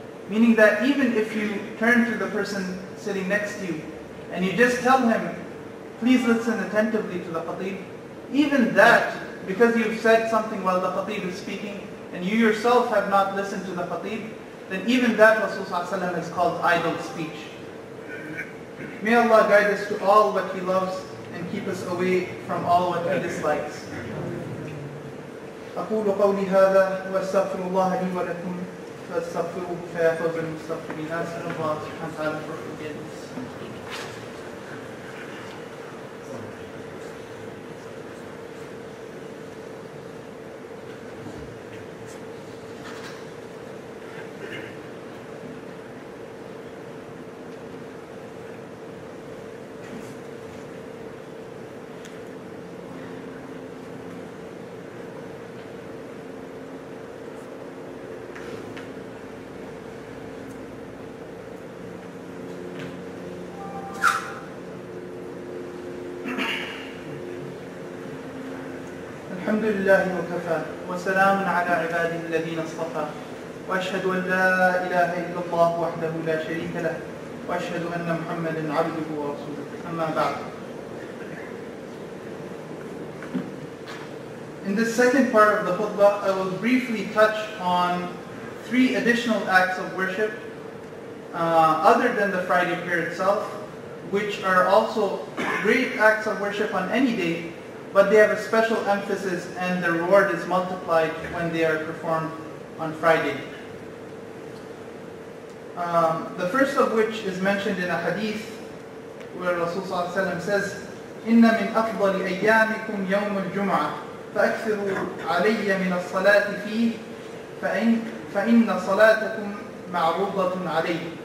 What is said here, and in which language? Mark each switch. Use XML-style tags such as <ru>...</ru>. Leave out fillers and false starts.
<en>Meaning that even if you turn to the person sitting next to you and you just tell him, please listen attentively to the khatib, even that, because you've said something while the khatib is speaking and you yourself have not listened to the khatib, then even that Rasulullah ﷺ has called idle speech. May Allah guide us to all what He loves and keep us away from all what He dislikes.</en> <ar>أقول قولي هذا وأستغفر الله لي ولكم فأستغفره فيا فوز المستغفرين. أسأل الله سبحانه وتعالى</ar> <en>for forgiveness.</en> <ar>الحمد لله وكفى وسلام على عباده الذين اصطفى وأشهد أن لا إله إلا الله وحده لا شريك له وأشهد أن محمدا عبده ورسوله أما بعد.</ar> <en>In the second part of the khutbah, I will briefly touch on three additional acts of worship other than the Friday prayer itself, which are also great acts of worship on any day, but they have a special emphasis and the reward is multiplied when they are performed on Friday. The first of which is mentioned in a hadith where Rasulullah ﷺ says,</en> <ar>إِنَّ مِنْ أَفْضَلِ أَيَّامِكُمْ يَوْمُ الْجُمْعَةِ فَأَكْثِرُوا عَلَيَّ مِنَ الصَّلَاةِ فِيهِ فَإِنَّ صَلَاتَكُمْ مَعْرُوضَةٌ عَلَيْهِ.</ar>